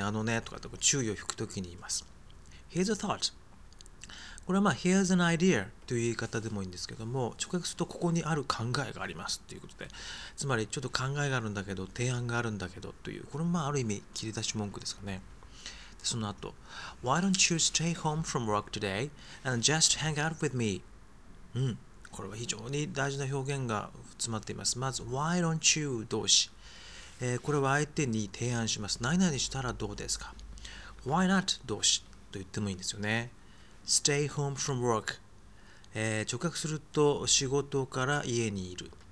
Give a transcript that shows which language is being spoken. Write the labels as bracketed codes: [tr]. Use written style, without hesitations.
[ja] あのねとかって注意を引くときに言います。 [en] Here's a thought. [ja] これはまあ、 [en] Here's an idea [ja] という言い方でもいいんですけども、直訳するとここにある考えがありますということで、つまりちょっと考えがあるんだけど、提案があるんだけどという、これもまあ、ある意味切り出し文句ですかね。 [en] その後、Why don't you stay home from work today and just hang out with me? [ja] うん、これは非常に大事な表現が詰まっています。まず、 [en] Why don't you [ja] 動詞、これは相手に提案します。何々したらどうですか ? [en] Why not [ja] 動詞と言ってもいいんですよね。 [en] Stay home from work、 [ja] 直訳すると、仕事から家にいる。